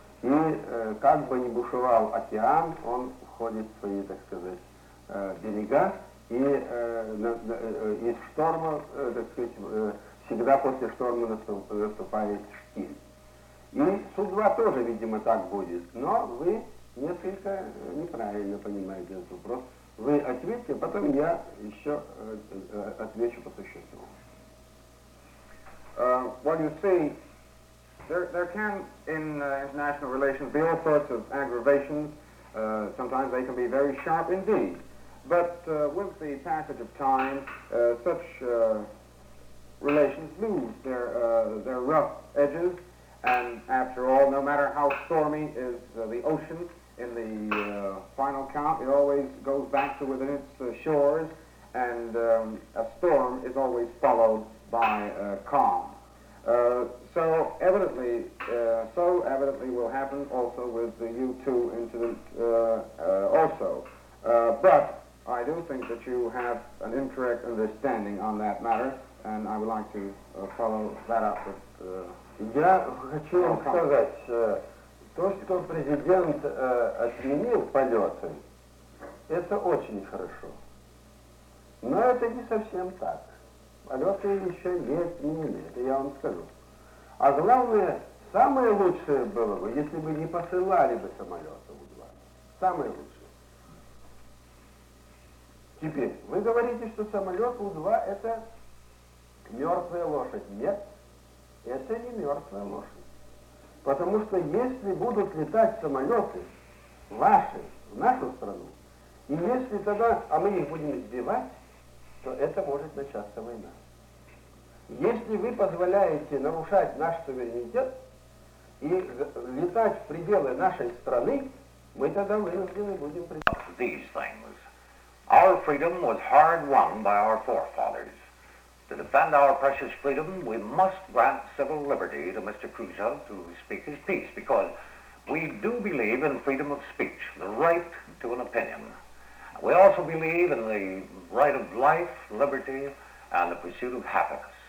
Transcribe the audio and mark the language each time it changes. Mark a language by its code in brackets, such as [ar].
[ru] И как бы ни бушевал океан, он входит в свои, так сказать, берега, и из шторма, так сказать, всегда после шторма наступает штиль. И Су-2 тоже, видимо, так будет, но вы несколько неправильно понимаете этот вопрос. Вы ответьте, потом я еще отвечу по существу. [en] There can, in international relations, be all sorts of aggravations. Sometimes they can be very sharp indeed. But with the passage of time, such relations lose their rough edges. And after all, no matter how stormy is the ocean, in the final count, it always goes back to within its shores. And a storm is always followed by a calm. So evidently will happen also with the U-2 incident also. But I do think that you have an incorrect understanding on that matter, and I would like to follow that up with [ru] Я хочу вам сказать, то, что президент отменил полеты, это очень хорошо. Но это не совсем так. Полеты еще не отменили, это я вам скажу. А главное, самое лучшее было бы, если бы не посылали бы самолета У-2. Самое лучшее. Теперь, вы говорите, что самолет У-2 это мертвая лошадь. Нет, это не мертвая лошадь. Потому что если будут летать самолеты ваши в нашу страну, и если тогда, а мы их будем сбивать, то это может начаться война. Если вы позволяете нарушать наш суверенитет и летать в пределы нашей страны, мы тогда вынуждены будем признать. [en] These things. Our freedom was hard won by our forefathers. To defend our precious freedom, we must grant civil liberty to Mr. Khrushchev to speak his piece, because we do believe in freedom of speech, the right to an opinion. We also believe in the right of life, liberty, and the pursuit of happiness.